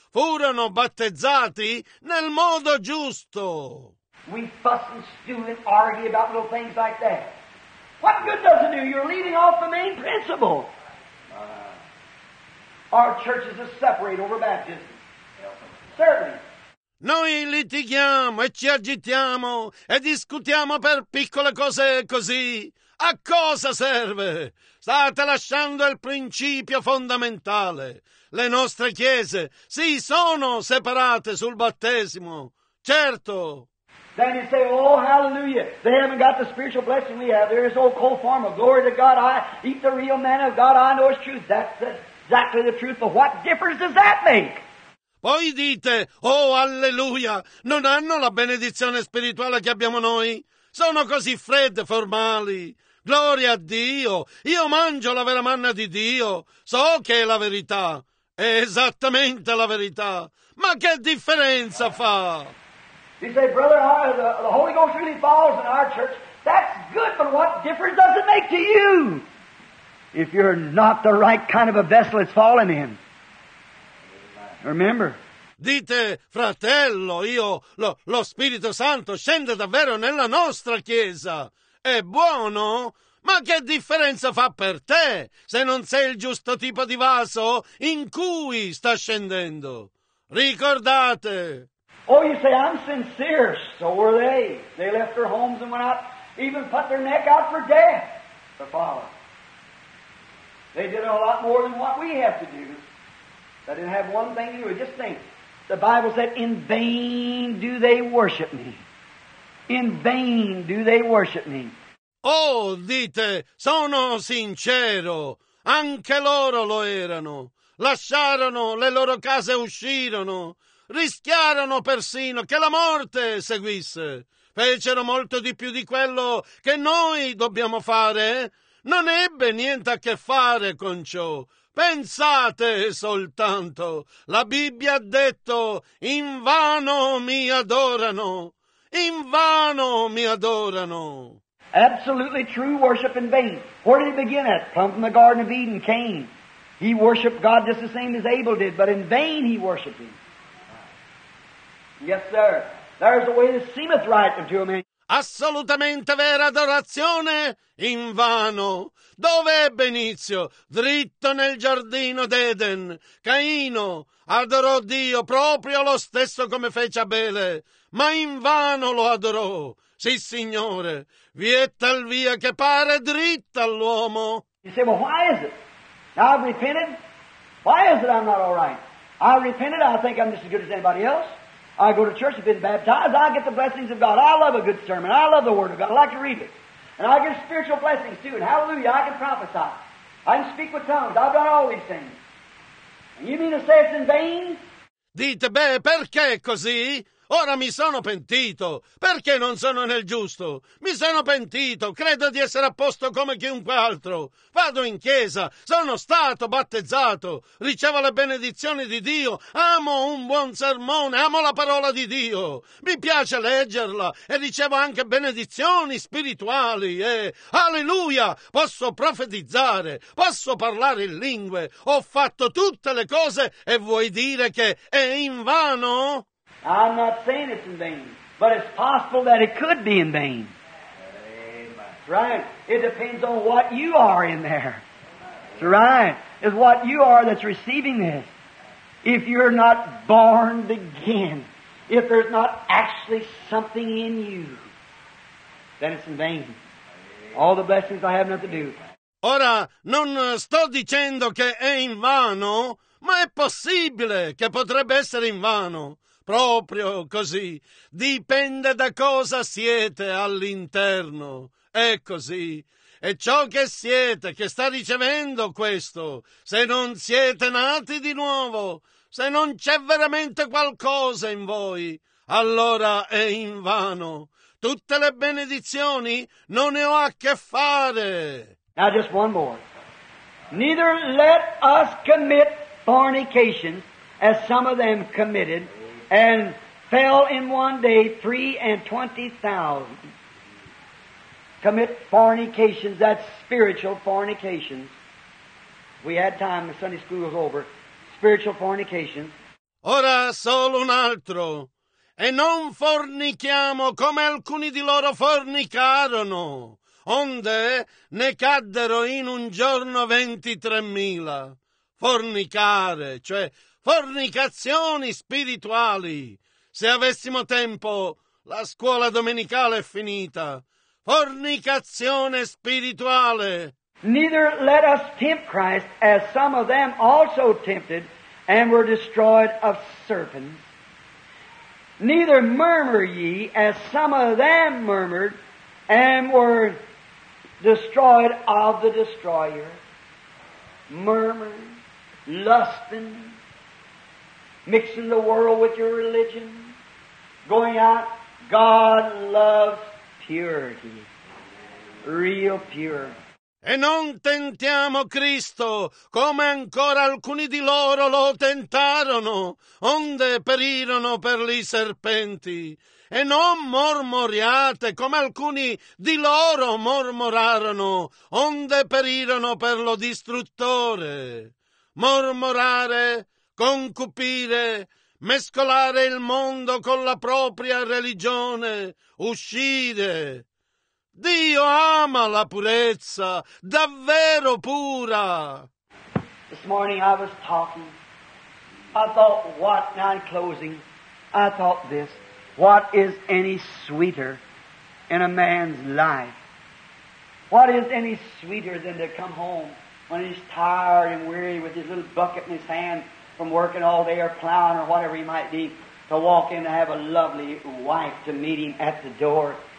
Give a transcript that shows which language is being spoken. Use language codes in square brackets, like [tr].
[it] Furono battezzati nel modo giusto. [en] We fuss and stew and argue about little things like that. What good does it do? You're leaving off the main principle. Our churches are separate over baptism. Certainly. [it] Noi litighiamo e ci agitiamo e discutiamo per piccole cose così. A cosa serve? State lasciando il principio fondamentale. Le nostre chiese, sì, sono separate sul battesimo. Certo. [en] Then you say, oh, hallelujah, they haven't got the spiritual blessing we have. There is no cold form of glory to God. I eat the real manna of God. I know it's truth. That's exactly the truth. But what difference does that make? [it] Poi dite, oh, alleluia, non hanno la benedizione spirituale che abbiamo noi. Sono così fredde, formali. Gloria a Dio. Io mangio la vera manna di Dio. So che è la verità. È esattamente la verità. Ma che differenza fa? [en] You say, brother, the Holy Ghost really falls in our church. That's good, but what difference does it make to you? If you're not the right kind of a vessel, it's falling in. Remember. [it] Dite, fratello, io, lo Spirito Santo scende davvero nella nostra chiesa. È buono? Ma che differenza fa per te se non sei il giusto tipo di vaso in cui sta scendendo? Ricordate. [en] Oh, you say, I'm sincere. So were they. They left their homes and went out, even put their neck out for death to follow. They did a lot more than what we have to do. They didn't have one thing to do. Just think. The Bible said, in vain do they worship me. In vain do they worship me. [it] Oh, dite, sono sincero. Anche loro lo erano. Lasciarono le loro case e uscirono. Rischiarono persino che la morte seguisse. Fecero molto di più di quello che noi dobbiamo fare. Non ebbe niente a che fare con ciò. Pensate soltanto. La Bibbia ha detto, in vano mi adorano. In vano mi adorano. [en] Absolutely true worship in vain. Where did it begin at? Come from the Garden of Eden, Cain. He worshipped God just the same as Abel did, but in vain he worshipped him. Yes, sir. There's a way that seemeth right unto a man. [it] Assolutamente vera adorazione, in vano. Dove ebbe inizio? Dritto nel giardino d'Eden. Caino adorò Dio proprio lo stesso come fece Abele, ma in vano lo adorò. Sì, Signore, vi è tal via che pare dritta all'uomo. [en] You say, well, why is it? Now I've repented. Why is it I'm not all right? I've repented, I think I'm just as good as anybody else. I go to church, I've been baptized, I get the blessings of God. I love a good sermon, I love the Word of God, I like to read it. And I get spiritual blessings too, and hallelujah, I can prophesy. I can speak with tongues, I've done all these things. And you mean to say it's in vain? [it] Dite, beh, perché così? Ora mi sono pentito. Perché non sono nel giusto? Mi sono pentito. Credo di essere a posto come chiunque altro. Vado in chiesa. Sono stato battezzato. Ricevo le benedizioni di Dio. Amo un buon sermone. Amo la parola di Dio. Mi piace leggerla. E ricevo anche benedizioni spirituali. E alleluia! Posso profetizzare. Posso parlare in lingue. Ho fatto tutte le cose. E vuoi dire che è invano? [en] I'm not saying it's in vain, but it's possible that it could be in vain. Amen. Right. It depends on what you are in there. It's right. It's what you are that's receiving this. If you're not born again, if there's not actually something in you, then it's in vain. All the blessings I have nothing to do. [it] Ora, non sto dicendo che è in vano, ma è possibile che potrebbe essere in vano. Proprio così. Dipende da cosa siete all'interno. È così. E ciò che siete, che sta ricevendo questo, se non siete nati di nuovo, se non c'è veramente qualcosa in voi, allora è in vano. Tutte le benedizioni non ne ho a che fare. [en] Now just one more. Neither let us commit fornication as some of them committed, and fell in one day 23,000. Commit fornications, that's spiritual fornications. We had time, the Sunday school was over. Spiritual fornications. [it] Ora solo un altro. E non fornichiamo come alcuni di loro fornicarono, onde ne caddero in un giorno 23,000. Fornicare, cioè fornicazioni spirituali. Se avessimo tempo, la scuola domenicale è finita. Fornicazione spirituale. [en] Neither let us tempt Christ, as some of them also tempted, and were destroyed of serpents. Neither murmur ye, as some of them murmured, and were destroyed of the destroyer. Murmur, lusting, mixing the world with your religion, going out. God loves purity, real pure. [it] E non tentiamo Cristo come ancora alcuni di loro lo tentarono, onde perirono per gli serpenti. E non mormoriate come alcuni di loro mormorarono, onde perirono per lo distruttore. Mormorare, concupire, mescolare il mondo con la propria religione, uscire. Dio ama la purezza, davvero pura. [en] This morning I was talking. I thought, what, now in closing, I thought this, what is any sweeter in a man's life? What is any sweeter than to come home when he's tired and weary with his little bucket in his hand from working all day or plowing or whatever he might be, to walk in and have a lovely wife to meet him at the door.